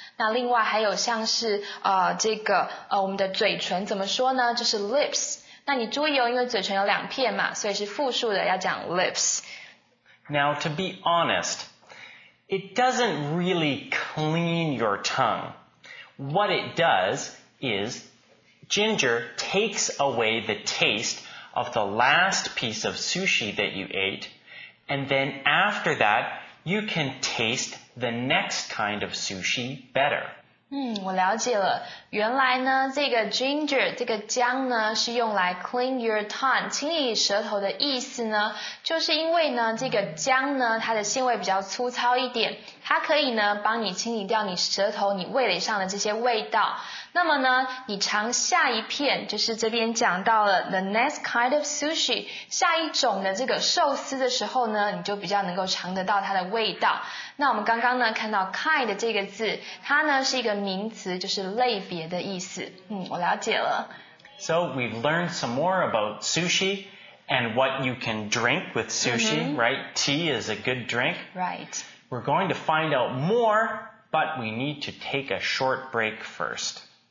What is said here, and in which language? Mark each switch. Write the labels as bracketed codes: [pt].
[zh] 那另外还有像是我们的嘴唇怎么说呢就是 lips。那你注意哦因为嘴唇有两片嘛所以是复数的要讲 lips。 [en] Now, to be honest, it doesn't really clean your tongue. What it does is ginger takes away the taste of the last piece of sushi that you ate, and then after that, you can taste the next kind of sushi better. [zh] 我了解了。原来呢这个 ginger, 这个姜呢是用来 [en] clean your tongue, [zh] 清理舌头的意思呢就是因为呢这个姜呢它的纤维比较粗糙一点它可以呢帮你清理掉你舌头你味蕾上的这些味道。那么呢你尝下一片就是这边讲到了 [en] the next kind of sushi, [zh] 下一种的这个寿司的时候呢你就比较能够尝得到它的味道。那我们刚刚呢看到 kind 这个字它呢是一个名词就是类别的意思。我了解了。 [en] So we've learned some more about sushi and what you can drink with sushi,、mm-hmm. right? Tea is a good drink. Right. We're going to find out more, but we need to take a short break first.